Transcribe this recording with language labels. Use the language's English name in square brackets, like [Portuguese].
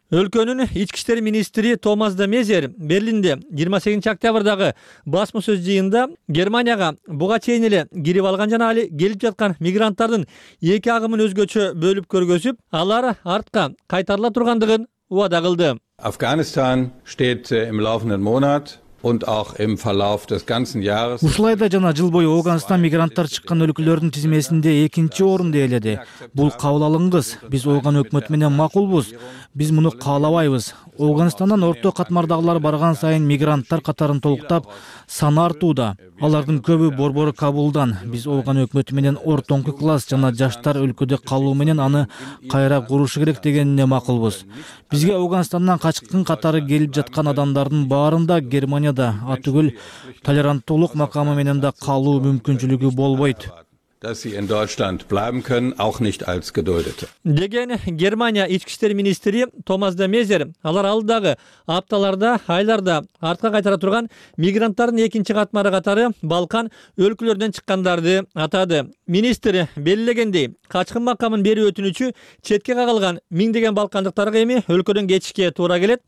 [Kyrgyz] Өлкөнүн ички иштер министри Томас де Мезер Берлинде 28 октябрдагы басма сөз жыйында Германияга буга чейин эле кирип алган жана али келип жаткан мигранттардын эки агымын өзгөчө бөлүп көргөзүп, алар артка кайтарыла тургандыгын убада кылды. [German] Афганистан steht im laufenden Monat und auch im Verlauf des ganzen Jahres. [Kyrgyz] Ушлайда жана жыл бою Ооганстан мигранттар чыккан өлкөлөрдүн тизмесинде 2-нчи орунду ээледи. Бул кабыл алынгыс. Биз Ооган өкмөт менен макулбуз. Биз муну каалабайбыз. Ооганстандан орто катмардагылар барган сайын мигранттар катарын толуктап, саны артууда. Алардын көбү борбору Кабулдан. Биз Ооган өкмөтү менен ортоңку класс жана жаштар өлкөдө калуу менен аны кайра куруш керек дегенине макулбуз. Бизге Ооганстандан качкын катары келип жаткан адамдардын баарында Германияда атүгүл толеранттуулук макамы менен да калуу мүмкүнчүлүгү болбойт. [German] Dass sie in Deutschland bleiben können, auch nicht als geduldete. [Kyrgyz] Деген Германия ички иштер министри Томас де Мезер алар алдагы апталарда, айларда артка кайтара турган мигранттардын экинчи катмары катары Балкан өлкөлөрүнөн чыккандарды атады. Министр белгилегендей, качкын макамын берүү өтүнүчү четке кагылган миңдеген балкандыктарга эми өлкөдөн кетишке туура келет.